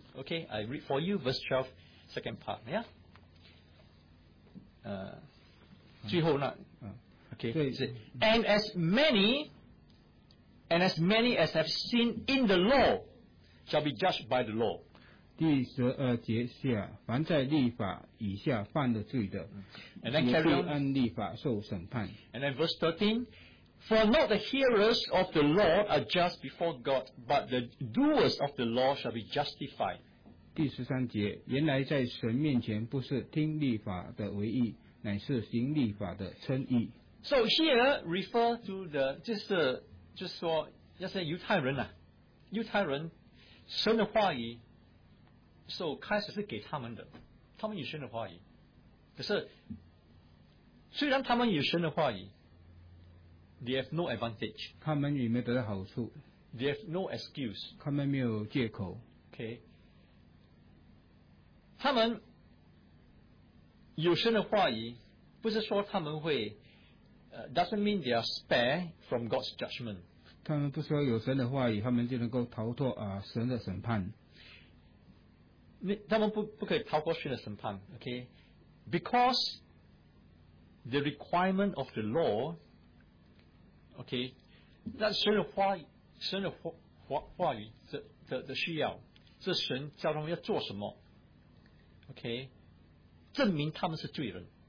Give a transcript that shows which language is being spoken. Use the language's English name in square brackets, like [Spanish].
[English] OK, I read for you verse 12, second part. Yeah. [Chinese] 最后那 [English] OK， and as many as have sinned in the law shall be judged by the law. [Chinese] 第十二节下，凡在律法以下犯的罪的，也必按律法受审判。 [English] And then verse 13. For not the hearers of the law are just before God, but the doers of the law shall be justified. [Chinese] 第十三节，原来在神面前不是听律法的为义，乃是行律法的称义。 [English] So here refer to the [Chinese] 就是说要是犹太人啊，犹太人神的话语 ，so 开始是给他们的，他们有神的话语，可是虽然他们有神的话语 ， [English] they have no advantage， [Chinese] 他们也没得到好处 [English] ，they have no excuse， [Chinese] 他们没有借口，OK， 他们有神的话语，不是说他们会。 [English] Doesn't mean they are spared from God's judgment. [Chinese] 他们不说有神的话语，他们就能够逃脱啊神的审判。他们不可以逃脱神的审判 ，okay? [English] Because the requirement of the law, [Chinese] okay, 那神的话语的需要，这神叫他们要做什么 ？Okay, 证明他们是罪人。